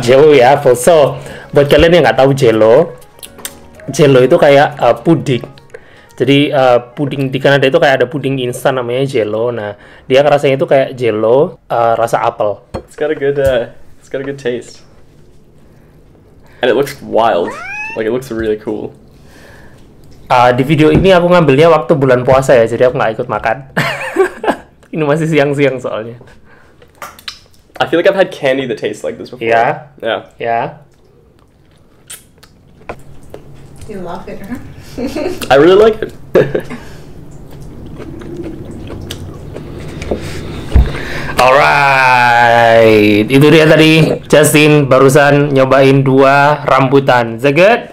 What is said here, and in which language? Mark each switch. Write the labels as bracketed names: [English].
[Indonesian] Jello-y apple. So, buat kalian yang gak tahu jello itu kayak pudding. Jadi puding di Kanada itu kayak ada puding instan namanya jello. Nah, dia rasanya itu kayak jello rasa apel. [English] It's got a good taste. And it looks wild, like it looks really cool. [Indonesian] Di video ini aku ngambilnya waktu bulan puasa ya, jadi aku nggak ikut makan. Ini masih siang-siang soalnya. [English] I feel like I've had candy that tastes like this before. Yeah. Yeah. Yeah. You love it, huh? I really like it. [Indonesian] Alright, itu dia tadi Justin barusan nyobain dua rambutan. [English] Is that good?